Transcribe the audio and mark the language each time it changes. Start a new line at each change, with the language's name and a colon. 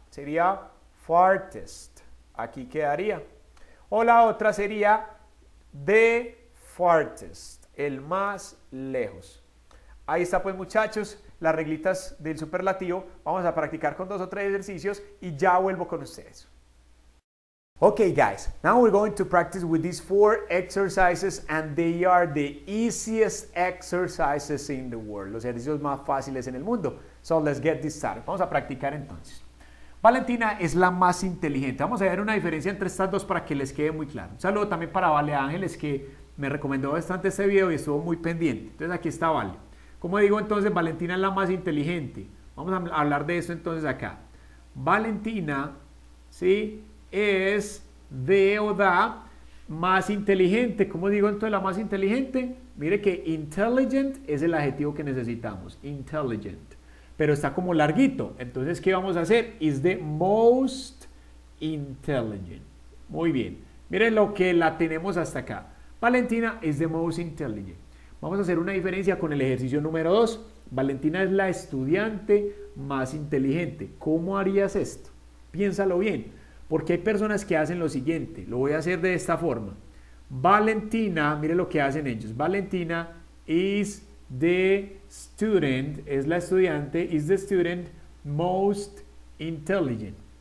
Spanish: Sería
English: farthest.
Spanish: Aquí quedaría. O la otra sería
English: the farthest,
Spanish: el más lejos. Ahí está, pues, muchachos, las reglitas del superlativo. Vamos a practicar con dos o tres ejercicios y ya vuelvo con ustedes.
English: Ok, guys, now we're going to practice with these four exercises and they are the easiest exercises in the world.
Spanish: Los ejercicios más fáciles en el mundo.
English: So let's get this started.
Spanish: Vamos a practicar entonces. Valentina es la más inteligente. Vamos a ver una diferencia entre estas dos para que les quede muy claro. Un saludo también para Vale Ángeles que me recomendó bastante este video y estuvo muy pendiente. Entonces aquí está Vale. Como digo entonces, Valentina es la más inteligente. Vamos a hablar de eso entonces acá. Valentina, ¿sí? Es de o da más inteligente. ¿Cómo digo entonces la más inteligente? Mire que intelligent es el adjetivo que necesitamos. Intelligent. Pero está como larguito. Entonces, ¿qué vamos a hacer?
English: Is the most intelligent.
Spanish: Muy bien. Mire lo que la tenemos hasta acá.
English: Valentina is the most intelligent.
Spanish: Vamos a hacer una diferencia con el ejercicio número 2. Valentina es la estudiante más inteligente. ¿Cómo harías esto? Piénsalo bien. Porque hay personas que hacen lo siguiente. Lo voy a hacer de esta forma. Valentina, mire lo que hacen ellos.
English: Valentina is the student,
Spanish: es la estudiante,
English: is the student most intelligent.